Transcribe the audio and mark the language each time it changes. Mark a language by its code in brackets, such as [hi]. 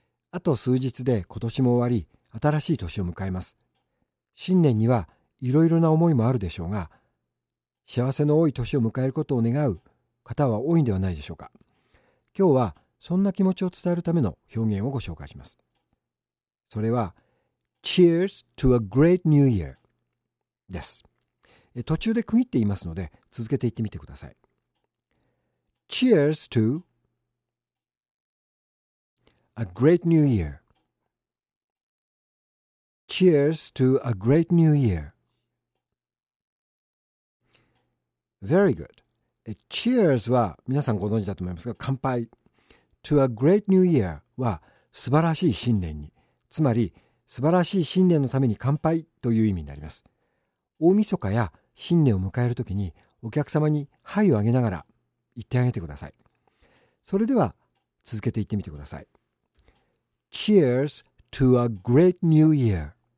[ja] あと数日で今年も終わり、新しい年を迎えます。新年にはいろいろな思いもあるでしょうが、幸せの多い年を迎えることを願う方は多いんではないでしょうか。今日はそんな気持ちを伝えるための表現をご紹介します。それは、 [en] Cheers to a great new year [ja] です。途中で区切っていますので、続けていってみてください。 [en] Cheers to a great new year. Cheers to a great new year. Very good. [ja] Cheers は皆さんご存知だと思いますが、乾杯。 [en] To a great new year [ja] は素晴らしい新年に。つまり、素晴らしい新年のために乾杯という意味になります。大晦日や新年を迎えるときに、お客様に杯をあげながら言ってあげてください。それでは、続けて言ってみてください。 [en] Cheers to a great new year.